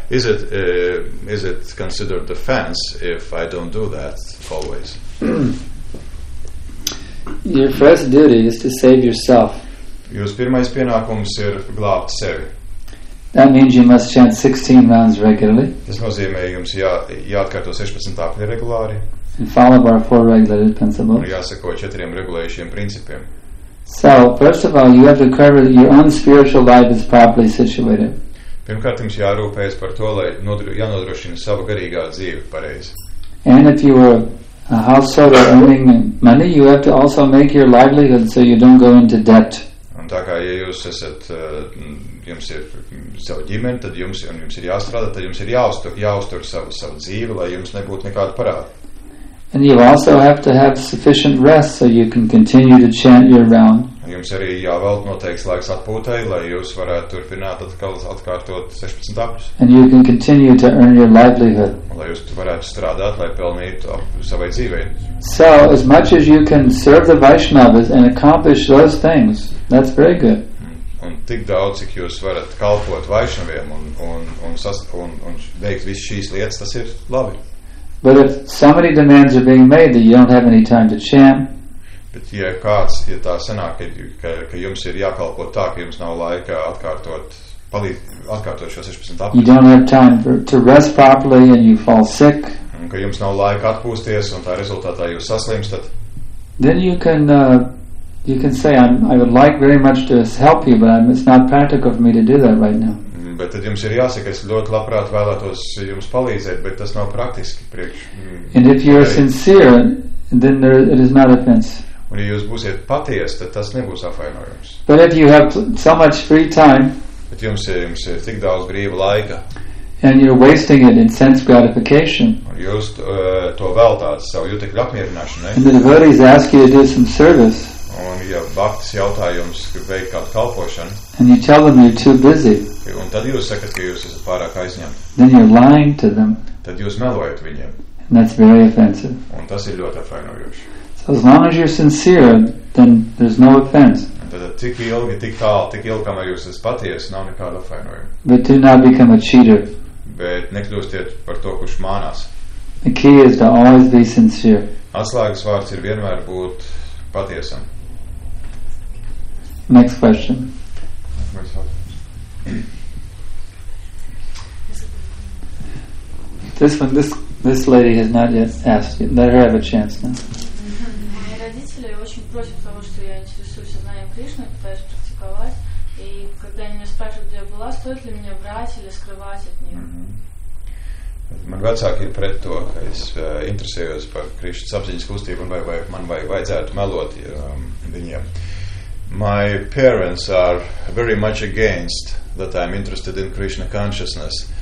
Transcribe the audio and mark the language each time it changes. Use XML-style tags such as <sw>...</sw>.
<en>Is it considered offense if I don't do that always? Your first duty is to save yourself.</en> <lv>Jūs pirmais pienākums ir glābt sevi.</lv> <en>That means you must chant 16 rounds regularly.</en> <lv>Tas nozīmē, jums jāatkārto 16 apli regulāri.</lv> <en>And follow by four regulated principles.</en> <lv>Un jāseko četriem regulējušiem principiem.</lv> <en>So, first of all, you have to cover that your own spiritual life is properly situated.</en> <lv>Pirmkārt, jums jārūpējas par to, lai jānodrošina savu garīgā dzīvi pareizi.</lv> <en>And if you were a householder earning money, you have to also make your livelihood so you don't go into debt.</en> <lv>Un tā kā, ja jūs esat, jums ir savu ģimeni, tad jums, un jums ir jāstrādā, tad jums ir jāuztur savu dzīvi, lai jums nebūtu nekādu parādu.</lv> <en>And you also have to have sufficient rest, so you can continue to chant your round.</en> <lv>Un jums arī jāvelt noteikts laiks atpūtai, lai jūs varētu turpināt atkārtot 16 apļus.</lv> <en>And you can continue to earn your livelihood.</en> <lv>Un lai jūs varētu strādāt, lai pelnītu savai dzīvei.</lv> <en>So, as much as you can serve the Vaishnavas and accomplish those things, that's very good.</en> <lv>Un tik daudz, cik jūs varat kalpot Vaishnaviem un veikt visu šīs lietas, tas ir labi.</lv> <en>But if so many demands are being made that you don't have any time to chant,</en> <lv>bet ja kāds, ja tā sanāk, ka jums ir jākalpo tā, ka jums nav laika atkārtot šo 16 apļus.</lv> <en>You don't have time to rest properly and you fall sick.</en> <lv>Un ka jums nav laika atpūsties un tā rezultātā jūs saslimstat.</lv> <en>Then you can say, I would like very much to help you, but it's not practical for me to do that right now.</en> <lv>Bet tad jums ir jāsaka, es ļoti labprāt vēlētos jums palīdzēt, bet tas nav praktiski priekš.</lv> <en>And if you are sincere, then it is not offense.</en> <lv>Un ja jūs būsiet patiesi, tad tas nebūs apvainojums.</lv> <en>But if you have so much free time,</en> <lv>bet jums ir tik daudz brīva laika,</lv> <en>and you're wasting it in sense gratification,</en> <lv>un jūs to veltāt savu jutekļu apmierināšanai,</lv> <en>and the devotees ask you to do some service,</en> <lv>un ja baktis jautā jums, ka veikt kādu kalpošanu,</lv> <en>and you tell them you're too busy,</en> <lv>un tad jūs sakat, ka jūs esat pārāk aizņemti,</lv> <en>then you're lying to them,</en> <lv>tad jūs melojat viņiem,</lv> <en>and that's very offensive,</en> <lv>un tas ir ļoti apvainojoši.</lv> <en>As long as you're sincere, then there's no offense.</en> <lv>Tad tik ilgi, tik tālu, tik ilgi, kamēr jūs esat patiesi, nav nekāda vainojuma.</lv> <en>But do not become a cheater.</en> <lv>bet nekļūstiet par to, kurš mānās.</lv> <en>The key is to always be sincere.</en> <lv>Atslēgas vārds ir vienmēr būt patiesam.</lv> <en>Next question. This lady has not yet asked you. Let her have a chance now.</en> <ru>Мои родители очень против того, что я интересуюсь знанием Кришны, пытаюсь практиковать. И когда они меня спрашивают, где я была, стоит ли мне брать или скрывать от них?</ru> <lv>Man vecāki ir pret to, ka es interesējos par Krišnas apziņas kustību un vai man vajadzētu melot viņiem.</lv> <en>My parents are very much against that I'm interested in Krishna consciousness.</en>